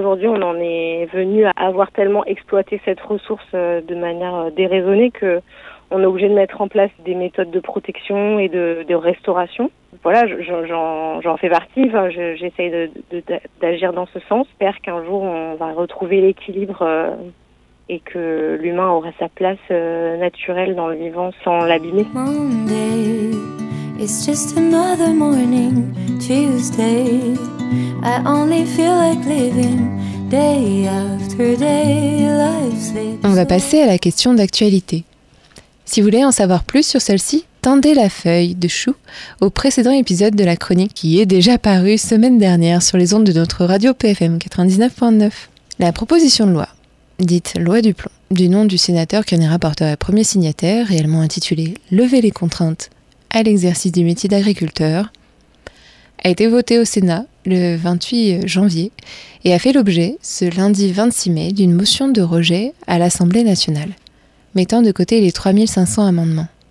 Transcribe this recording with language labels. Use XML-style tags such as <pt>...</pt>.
<fr>Aujourd'hui, on en est venu à avoir tellement exploité cette ressource de manière déraisonnée que on est obligé de mettre en place des méthodes de protection et de restauration. Voilà, j'en fais partie. Enfin, j'essaye d'agir dans ce sens. J'espère qu'un jour, on va retrouver l'équilibre et que l'humain aura sa place naturelle dans le vivant sans l'abîmer.</fr> <en>Monday, it's just another morning. Tuesday, I only feel like living. Day after day, life slips.</en> <fr>On va passer à la question d'actualité. Si vous voulez en savoir plus sur celle-ci, tendez la feuille de chou au précédent épisode de la chronique qui est déjà paru semaine dernière sur les ondes de notre radio PFM 99.9. La proposition de loi, dite loi du plomb, du nom du sénateur qui en est rapporteur et premier signataire, réellement intitulé « Lever les contraintes à l'exercice du métier d'agriculteur », a été votée au Sénat le 28 janvier et a fait l'objet, ce lundi 26 mai, d'une motion de rejet à l'Assemblée nationale, mettant de côté les 3500 amendements.</fr>